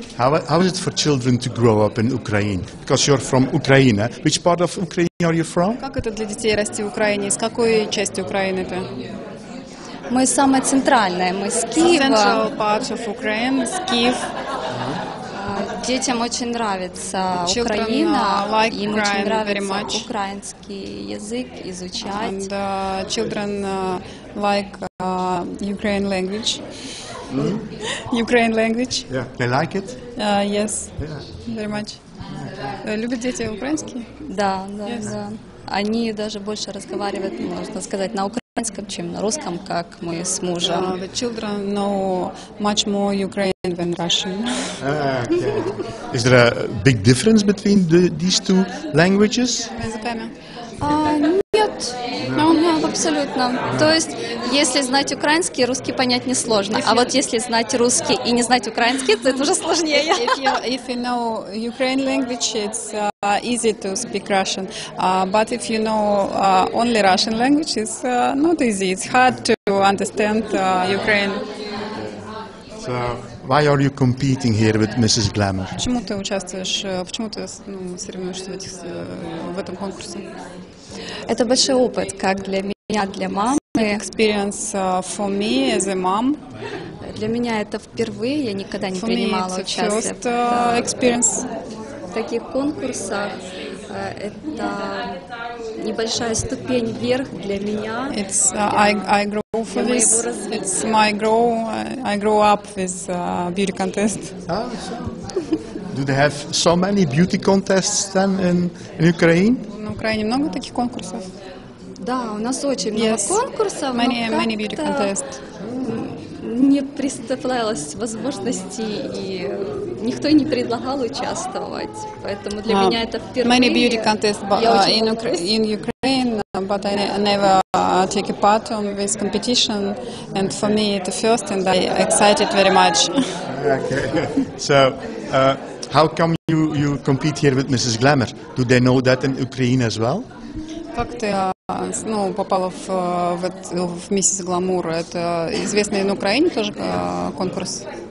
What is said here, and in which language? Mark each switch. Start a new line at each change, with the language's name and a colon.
English: How is it for children to grow up in Ukraine? Because you're from Ukraine. Which part of Ukraine are you from?
Russian: Как это для детей расти в Украине? Из какой части Украины ты? Мы самая центральная, мы с Киева.
English: Central part of Ukraine,
Russian: с Киев. Детям очень нравится Украина,
English: like
Russian: им очень нравится украинский язык изучать.
English: And children like Ukraine language. Mm-hmm. Ukraine language. Yeah. They like it? Yes. Yeah. Very much. Yeah.
Russian: Любят дети украинские? Да, да, yes. Да. Они даже больше разговаривают, можно сказать, на украинском, чем на русском, как мы с мужем.
English: The children know much more Ukrainian than Russian. Okay. Is there a big difference between these two languages?
Russian: Нет. Абсолютно. Yeah. То есть, если знать украинский, русский понять несложно. А вот если знать русский и не знать украинский, то это уже сложнее.
English: If you know Ukraine language, it's easy to speak Russian. But if you know only Russian language, it's not easy. It's hard to understand Ukraine. So, why are you competing here with Mrs. Glamour?
Russian: Почему ты участвуешь, почему ты соревнуешься в этом конкурсе? Это большой опыт, как для меня. Я для мамы.
English: Experience for me as a mom.
Russian: Для меня это впервые, я никогда не принимала участие.
English: First experience.
Russian: В таких конкурсах это небольшая ступень вверх для меня.
English: It's I grow for this. It's my grow. I grow up with beauty contest. Do they have so many beauty contests then in Ukraine?
Russian: На Украине много таких конкурсов. Да, у нас очень много конкурсов,
English: many beauty contest.
Russian: Не представлялось возможности, и никто не предлагал участвовать. Поэтому для меня это впервые.
English: Many beauty contest in Ukraine, but I never take a part in this competition. And for me it's the first, and I'm excited very much. Okay. So, how come you compete here with Mrs. Glamour? Do they know that in Ukraine as well?
Russian: Как ты попала в миссис Гламур? Это известный на Украине тоже конкурс?